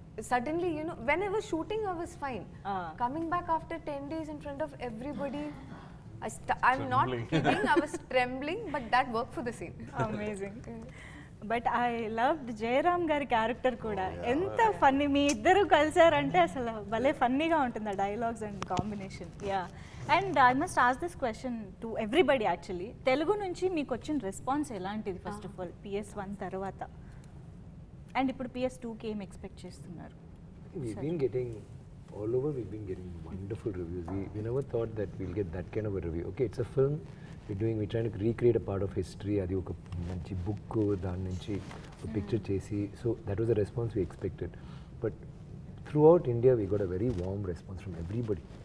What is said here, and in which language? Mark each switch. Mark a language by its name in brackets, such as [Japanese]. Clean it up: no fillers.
[English] Suddenly, you know, when I was shooting, I was fine. Coming back after 10 days in front of everybody, I'm not kidding. I was trembling, but that worked for the scene. Amazing. But I loved [Telugu] Jayaram గారి character కూడా. ఎంత funny మీ ఇద్దరు కలిసారంటే అసలు భలే ఫన్నీగా ఉంటుంది ఆ dialogues and combination. [English] yeah, and I must ask this question to everybody actually, [Telugu] Telugu నుంచి మీకు వచ్చిన రెస్పాన్స్ ఎలాంటిది [English] first of all [Telugu] PS one తర్వాత, అండ్ ఇప్పుడు పిఎస్ టూకి ఏం ఎక్స్పెక్ట్ చేస్తున్నారు? [English] All over we've been getting wonderful reviews. We never thought that we'll get that kind of a review. Okay, it's a film we're trying to recreate a part of history, [Telugu] adi oka manchi book dan nunchi a picture chesi. [English] So that was the response we expected, but throughout India we got a very warm response from everybody.